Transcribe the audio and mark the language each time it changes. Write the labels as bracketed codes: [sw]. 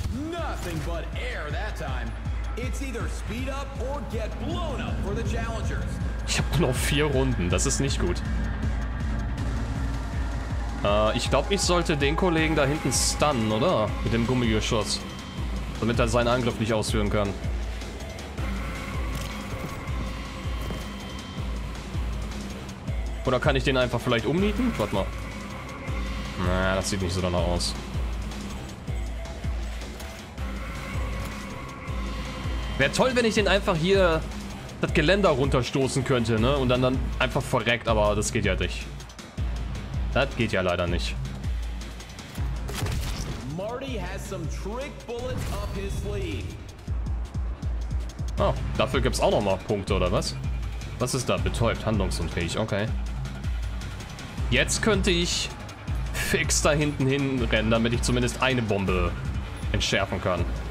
[en] Nothing but air that time. It's either speed up or get blown up for the challengers. [de] Ich habe noch 4 Runden. Das ist nicht gut. Ich glaube, ich sollte den Kollegen da hinten stunnen, oder? Mit dem Gummigeschoss. Damit er seinen Angriff nicht ausführen kann. Oder kann ich den einfach vielleicht umnieten? Warte mal. Na, das sieht nicht so danach aus. Wäre toll, wenn ich den einfach hier das Geländer runterstoßen könnte, ne? Und dann einfach verreckt, aber das geht ja nicht. Das geht ja leider nicht. [en] Marty has some trick bullets up his sleeve. [de] Oh, dafür gibt's auch nochmal Punkte, oder was? Was ist da? Betäubt, handlungsunfähig, okay. Jetzt könnte ich fix da hinten hinrennen, damit ich zumindest eine Bombe entschärfen kann.